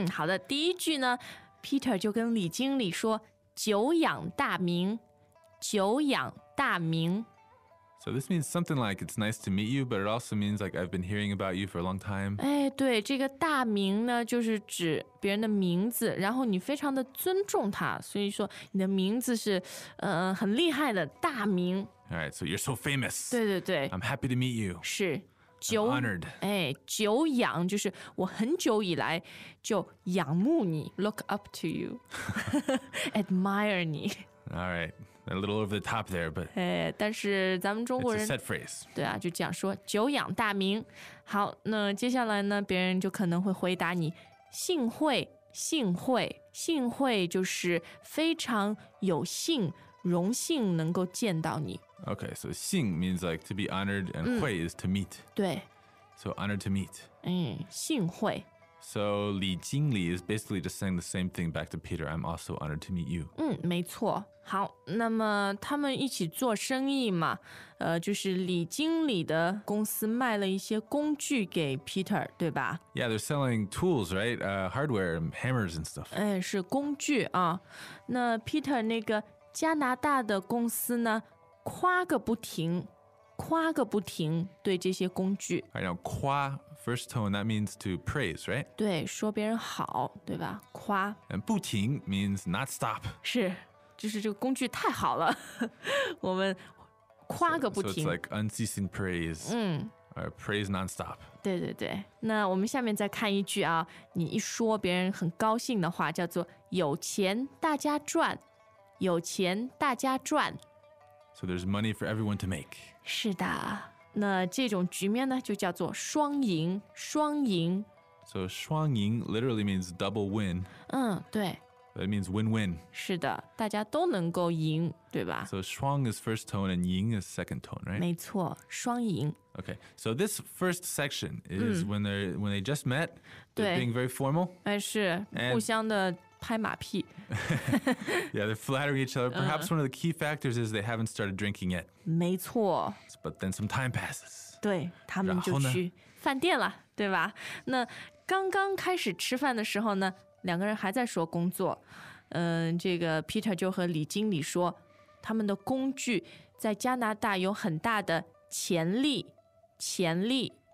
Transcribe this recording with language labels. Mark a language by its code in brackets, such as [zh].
[zh] 好的，第一句呢 ，Peter 就跟李经理说，久仰大名，久仰大名。 [en] So this means something like it's nice to meet you, but it also means like I've been hearing about you for a long time. [zh] 哎，对，这个大名呢，就是指别人的名字，然后你非常的尊重他，所以说你的名字是，很厉害的大名。 [en] All right, so you're so famous. [zh] 对对对。 [en] I'm happy to meet you. [zh] 是。 [en] I'm honored. [zh] 哎，久仰就是我很久以来就仰慕你 ， [en] look up to you, admire [zh] 你。 [en] All right, a little over the top there, but [zh] 哎，但是咱们中国人 [en] it's a set phrase. [zh] 对啊，就这样说，久仰大名。好，那接下来呢，别人就可能会回答你，幸会，幸会，幸会，就是非常有幸。荣幸能够见到你。 [en] Okay, so 幸 means like to be honored and 会 is to meet. [zh] 对。 [en] So honored to meet. [zh] 幸会。 [en] So 李经理 is basically just saying the same thing back to Peter. I'm also honored to meet you. [zh] 没错。好，那么他们一起做生意嘛，就是李经理的公司卖了一些工具给 Peter, 对吧？ [en] Yeah, they're selling tools, right? Hardware, hammers and stuff. [zh] 是工具啊。那 Peter 那个加拿大的公司呢，夸个不停，夸个不停，对这些工具。 [en] I know, 夸 first tone that means to praise, right? [zh] 对，说别人好，对吧？夸。 [en] And 不停 means not stop. [zh] 是，就是这个工具太好了，我们夸个不停。 [en] So it's like unceasing praise. Or praise non-stop. [zh] 对对对，那我们下面再看一句啊，你一说别人很高兴的话，叫做有钱大家赚。有钱大家赚。 [en] So there's money for everyone to make. [zh] 是的。那这种局面呢就叫做双赢双赢 [en] So 双赢 literally means double win [zh] 嗯对 [en] That means win-win [zh] 是的大家都能够赢对吧 [en] So 双 is first tone and 赢 is second tone, right? [zh] 没错双赢 [en] Okay, so this first section is when they just met They're being very formal [zh] 是互相的拍马屁 [en] Yeah, they're flattering each other Perhaps one of the key factors is they haven't started drinking yet [zh] 没错 [en] But then some time passes [zh] 对他们就去饭店了对吧那刚刚开始吃饭的时候呢两个人还在说工作这个 Peter 就和李经理说他们的工具在加拿大有很大的潜力潜力